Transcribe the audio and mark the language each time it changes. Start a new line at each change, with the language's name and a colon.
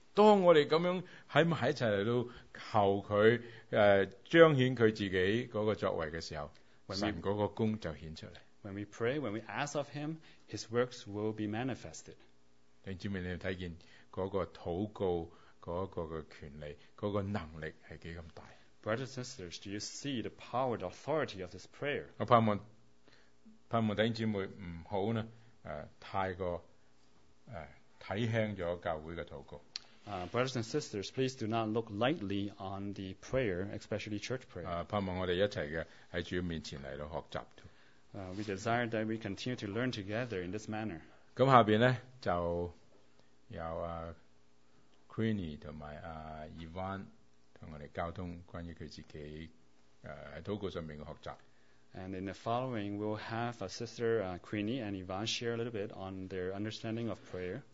Cantonese: 当我哋咁样喺埋一齐嚟到求佢，彰显佢自己嗰个作为嘅时候，神嗰个功就显出嚟。
English: When we pray, when we ask of Him, His works will be manifested.
Cantonese: 弟兄姊妹，你睇见嗰个祷告嗰个嘅权利，嗰个能力系几咁大
English: ？Brothers and sisters, do you see the power, the authority of this prayer?
Cantonese: 我盼望弟兄姊妹唔好呢，太过睇轻咗教会嘅祷告。
English: Brothers and sisters, please do not look lightly on the prayer, especially church prayer.
Cantonese: 盼望我哋一齐嘅喺主面前嚟到学习。
English: We desire that we continue to learn together in this manner.
Cantonese: 咁下边咧就有Queenie 同埋Ivan 同我哋交通关于佢自己喺祷告上面嘅学习。
English: And in the following, we'll have a sister Queenie and Ivan share a little bit on their understanding of prayer.